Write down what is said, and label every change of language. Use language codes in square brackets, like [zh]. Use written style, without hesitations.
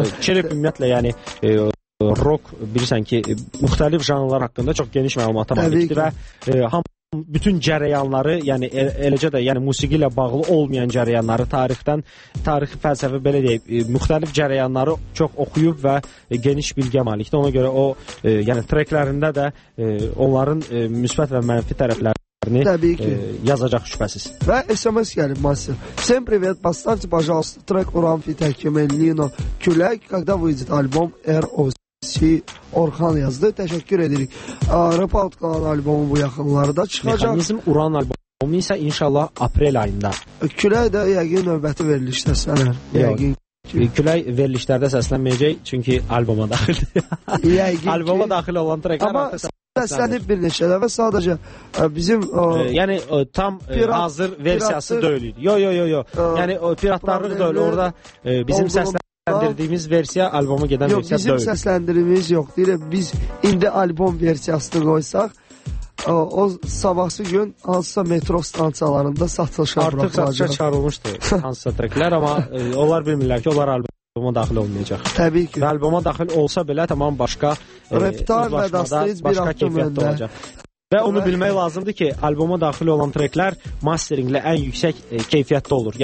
[az] Cherif ümumiyyətlə, yəni rock, bilirsən ki, müxtəlif janrlar haqqında çox geniş məlumata malikdir və bütün cərəyanları, yəni eləcə də yəni musiqi ilə bağlı olmayan cərəyanları tarixdən, tarixi fəlsəfə belə deyib, müxtəlif cərəyanları çox oxuyub və geniş bilgiyə malikdir. Ona görə o, yəni treklərində də onların müsbət və mənfi tərəflərini yazacaq şübhəsiz. Və SMS gəlib, Masir. [ru] Всем привет, поставьте, пожалуйста, трек Уран Фитаким Эллино Кюляк, когда выйдет альбом R.O.C. [az] Orxan yazdı. Təşəkkür edirik. Rap Outlaw albomu bu yaxınlarda çıxacaq. Mexanizm Uran albomu isə inşallah aprel ayında. Külək də yəqin növbəti verilişdə səslənər. Yəqin ki. Külək verilişlərdə səslənməyəcək, çünki alboma daxildir. Yəqin alboma daxil olan treklər artıq səslənib bir neçə dəfə sadəcə bizim yəni tam pirat, hazır versiyası deyildi. Yo. Yəni piratlarlıq da öyle. Orada bizim səsləndirdiyimiz versiya albomu gedən versiya deyil. Yox, bizim səsləndirdiyimiz yox. Deyir, biz indi albom versiyasını qoysaq o sabahsı gün hansısa metro stansiyalarında satılışa artıq satışa çağırılmışdı hansısa treklər, amma onlar bilmirlər ki, onlar albuma daxil olmayacaq. Təbii ki. Və albuma daxil olsa belə tamam başqa reptar və dastayız bir kəyfiyyətdə olacaq. Və onu bilmək lazımdır ki, albuma daxil olan treklər masteringlə ən yüksək keyfiyyətdə olur.